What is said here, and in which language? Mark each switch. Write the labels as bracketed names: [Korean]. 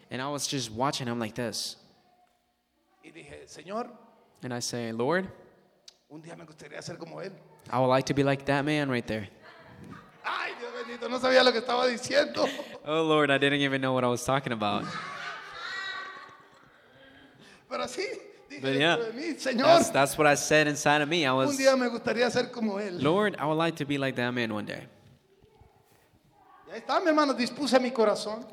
[English] And I was just watching him like this. [Spanish] Y dije, Señor, [English] and I say, Lord, [Spanish] un día me gustaría ser como él. [English] I would like to be like that man right there. [Spanish] Ay, Dios bendito, no sabía lo que estaba diciendo. [English] Oh Lord, I didn't even know what I was talking about. [Spanish] Pero sí, [English] but yeah, [Spanish] de mí, Señor, [English] that's what I said inside of me. I was, [Spanish] un día me gustaría ser como él. [English] Lord, I would like to be like that man one day. [Spanish] Está, mi hermano, dispuse mi corazón.